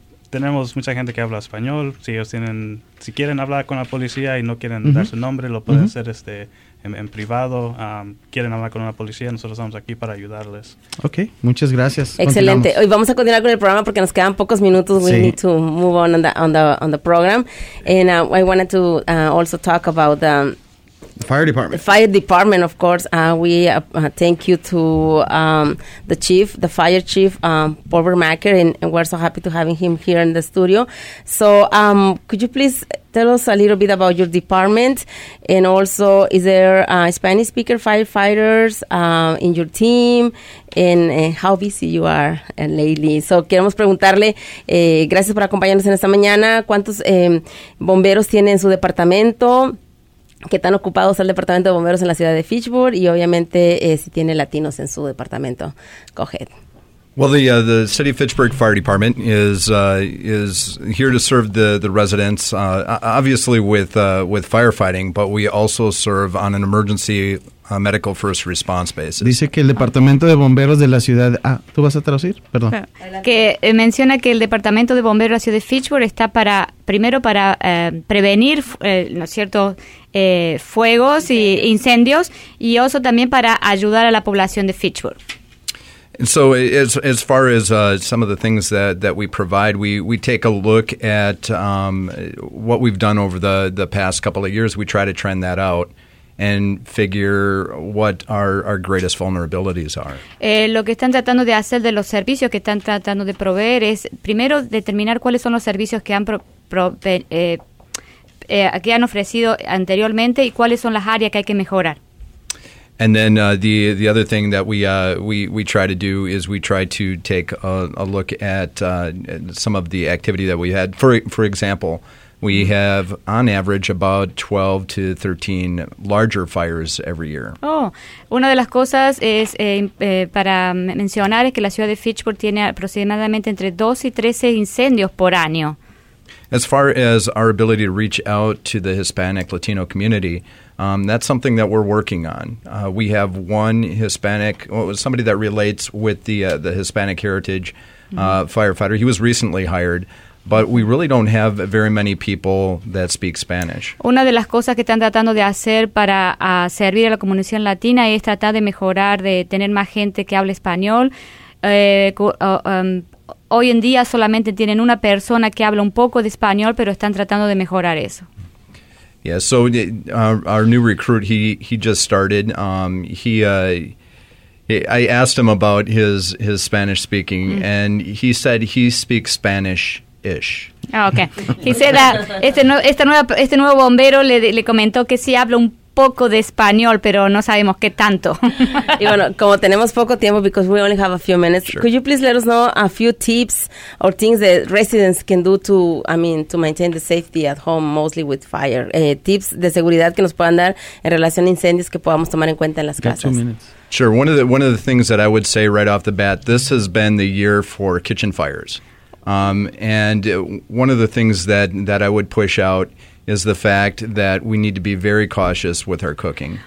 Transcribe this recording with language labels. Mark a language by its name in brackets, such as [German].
[Spanish] Tenemos mucha gente que habla español. Si ellos si quieren hablar con la policía y no quieren dar su nombre, lo pueden hacer en privado. Quieren hablar con la policía, nosotros estamos aquí para ayudarles. Ok, muchas gracias. Excelente. Hoy vamos a continuar con el programa porque nos quedan pocos minutos. [English] We need to move on the program. And I wanted to also talk about the fire department. The fire department, of course. Thank you to the fire chief, Paul Vermacher, and we're so happy to have him here in the studio. So could you please tell us a little bit about your department, and also, is there Spanish speaker firefighters in your team, and how busy you are lately? [Spanish] So queremos preguntarle, gracias por acompañarnos en esta mañana, ¿cuántos bomberos tiene en su departamento? ¿Qué tan ocupado es el departamento de bomberos en la ciudad de Fitchburg? Y obviamente, si tiene latinos en su departamento. [English] Go ahead. Well, the City of Fitchburg Fire Department is here to serve the residents, obviously with firefighting, but we also serve on an emergency medical first response basis. [Spanish] Dice que el departamento de bomberos de la ciudad... ¿tú vas a traducir? Perdón. Que menciona que el departamento de bomberos de la ciudad de Fitchburg está primero para prevenir, ¿no es cierto?, fuegos y incendios, y also también para ayudar a la población de Fitchburg. [English] And so as far as some of the things that we provide, we take a look at what we've done over the past couple of years. We try to trend that out and figure what our greatest vulnerabilities are. [Spanish] Lo que están tratando de hacer de los servicios que están tratando de proveer es primero determinar cuáles son los servicios que han que han ofrecido anteriormente y cuáles son las áreas que hay que mejorar. [English] And then the other thing that we try to do is we try to take a look at some of the activity that we had. For example, we have on average about 12 to 13 larger fires every year. [Spanish] Oh, una de las cosas es para mencionar es que la ciudad de Fitchburg tiene aproximadamente entre 12 y 13 incendios por año. [English] As far as our ability to reach out to the Hispanic Latino community, that's something that we're working on. We have one Hispanic, somebody that relates with the Hispanic Heritage firefighter. He was recently hired, But we really don't have very many people that speak Spanish. [Spanish] Una de las cosas que están tratando de hacer para servir a la comunidad latina es tratar de mejorar, de tener más gente que hable español. Hoy en día solamente tienen una persona que habla un poco de español, pero están tratando de mejorar eso. [English] Yeah, so our new recruit, he just started. I asked him about his Spanish speaking, mm-hmm. and he said he speaks Spanish. Ish. Okay. He said that [Spanish] este nuevo bombero le comentó que sí habla un poco de español, pero no sabemos qué tanto. Y bueno, como tenemos poco tiempo, [English] because we only have a few minutes, sure. Could you please let us know a few tips or things that residents can do to maintain the safety at home, mostly with fire? [Spanish] Tips de seguridad que nos puedan dar en relación a incendios que podamos tomar en cuenta en las casas. [English] 2 minutes. Sure. One of the things that I would say right off the bat, this has been the year for kitchen fires. And one of the things that I would push out is the fact that we need to be very cautious with our cooking.